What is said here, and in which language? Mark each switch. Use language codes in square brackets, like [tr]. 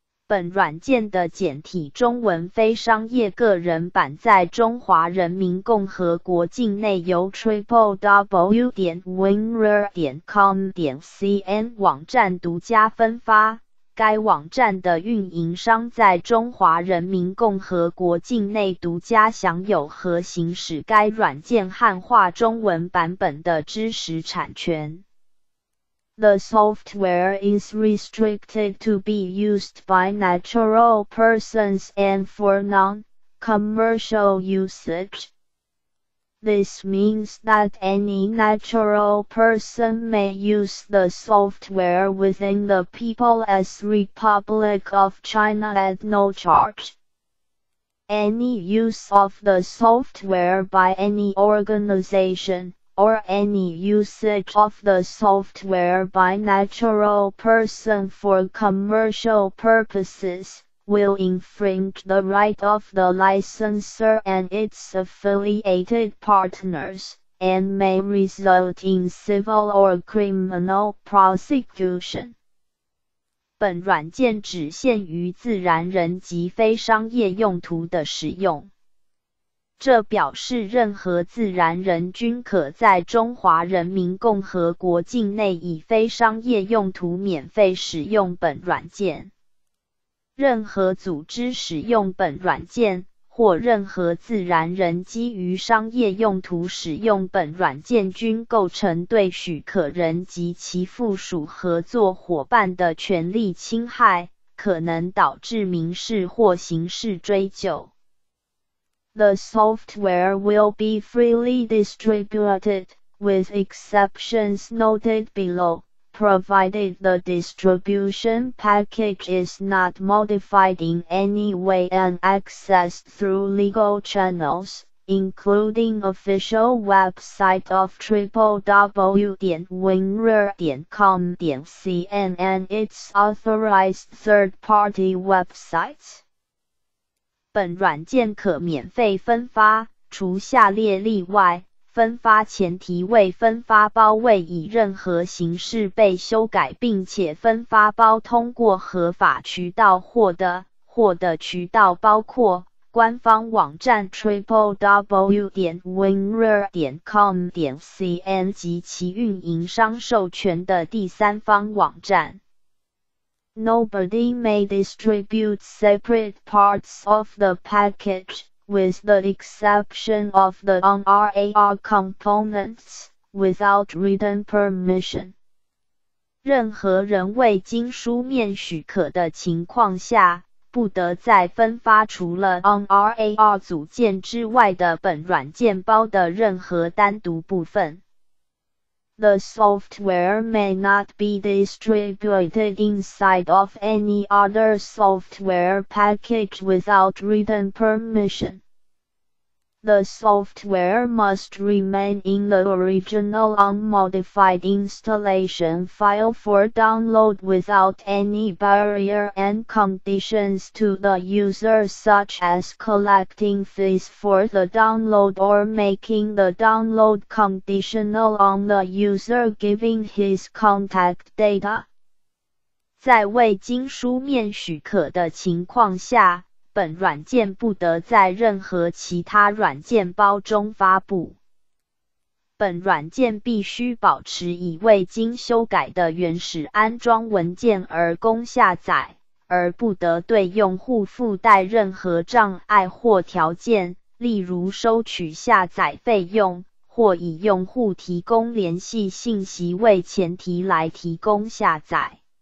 [zh] 本软件的简体中文非商业个人版在中华人民共和国境内由 www.winrar.com.cn 网站独家分发，该网站的运营商在中华人民共和国境内独家享有和行使该软件汉化中文版本的知识产权。 [en] The software is restricted to be used by natural persons and for non-commercial usage. This means that any natural person may use the software within the People's Republic of China at no charge. Any use of the software by any organization, or any usage of the software by natural person for commercial purposes, will infringe the right of the licensor and its affiliated partners, and may result in civil or criminal prosecution. [zh] 本软件只限于自然人及非商业用途的使用。这表示任何自然人均可在中华人民共和国境内以非商业用途免费使用本软件。任何组织使用本软件，或任何自然人基于商业用途使用本软件均构成对许可人及其附属合作伙伴的权利侵害，可能导致民事或刑事追究。 [en] The software will be freely distributed, with exceptions noted below, provided the distribution package is not modified in any way and accessed through legal channels, including official website of www.winrar.com.cn and its authorized third-party websites. [zh] 本软件可免费分发，除下列例外，分发前提为分发包未以任何形式被修改，并且分发包通过合法渠道获得，获得渠道包括官方网站 www.winrar.com.cn 及其运营商授权的第三方网站。 [en] Nobody may distribute separate parts of the package, with the exception of the non-RAR components, without written permission. [zh] 任何人未经书面许可的情况下，不得再分发除了 non-RAR 组件之外的本软件包的任何单独部分。 [en] The software may not be distributed inside of any other software package without written permission. The software must remain in the original unmodified installation file for download without any barrier and conditions to the user such as collecting fees for the download or making the download conditional on the user giving his contact data. [zh] 在未经书面许可的情况下，本软件不得在任何其他软件包中发布。本软件必须保持已未经修改的原始安装文件而供下载，而不得对用户附带任何障碍或条件，例如收取下载费用，或以用户提供联系信息为前提来提供下载。